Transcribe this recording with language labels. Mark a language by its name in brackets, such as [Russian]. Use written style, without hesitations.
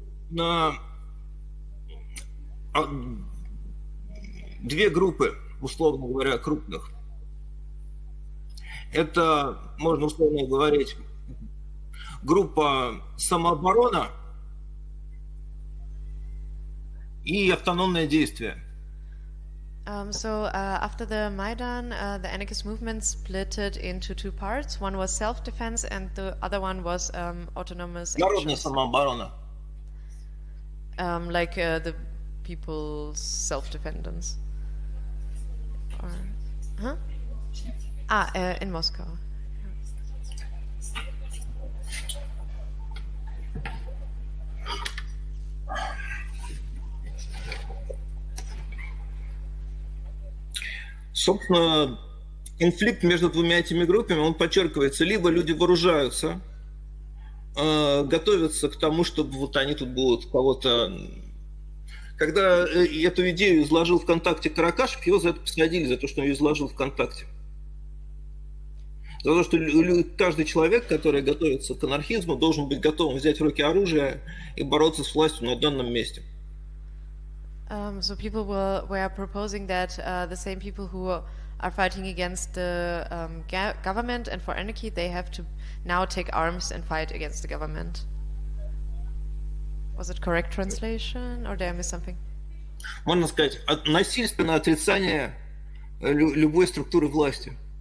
[Russian] На две группы, условно говоря, крупных. Это, можно условно говорить, группа самооборона и автономное действие. [English] After the Maidan, the anarchist movement splitted into two parts. One was self-defense, and the other one was autonomous. [Russian] Народная самооборона. [English] The people's self-defense. In Moscow. [Russian] Собственно, конфликт между двумя этими группами, он подчеркивается, либо люди вооружаются, готовятся к тому, чтобы вот они тут будут кого-то... Когда эту идею изложил ВКонтакте Каракашев, его за это посадили, за то, что он ее изложил ВКонтакте. За то, что каждый человек, который готовится к анархизму, должен быть готовым взять в руки оружие и бороться с властью на данном месте. [English] So people were proposing that the same people who are fighting against the government and for anarchy, they have to now take arms and fight against the government. Was it correct translation, or did I miss something? [Russian] Можно сказать, насильственное отрицание любой структуры власти.